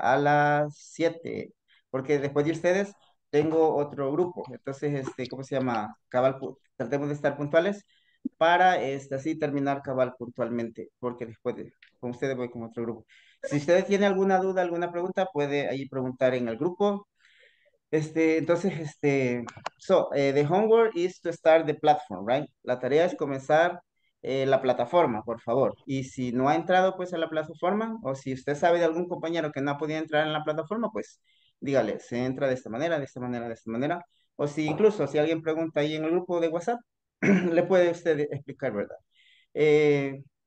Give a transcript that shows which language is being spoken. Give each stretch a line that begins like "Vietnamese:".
Spanish: A las 7, porque después de ustedes tengo otro grupo. Entonces, este, ¿cómo se llama? Cabal, tratemos de estar puntuales para este, así terminar cabal puntualmente, porque después de, con ustedes voy con otro grupo. Si ustedes tienen alguna duda, alguna pregunta, puede ahí preguntar en el grupo. Este, entonces, este,
English: so, the homework is to start the platform, right?
Spanish: La tarea es comenzar la plataforma, por favor. Y si no ha entrado, pues, a la plataforma, o si usted sabe de algún compañero que no ha podido entrar en la plataforma, pues, dígale, se entra de esta manera, de esta manera, de esta manera. O si incluso, si alguien pregunta ahí en el grupo de WhatsApp, le puede usted explicar, ¿verdad?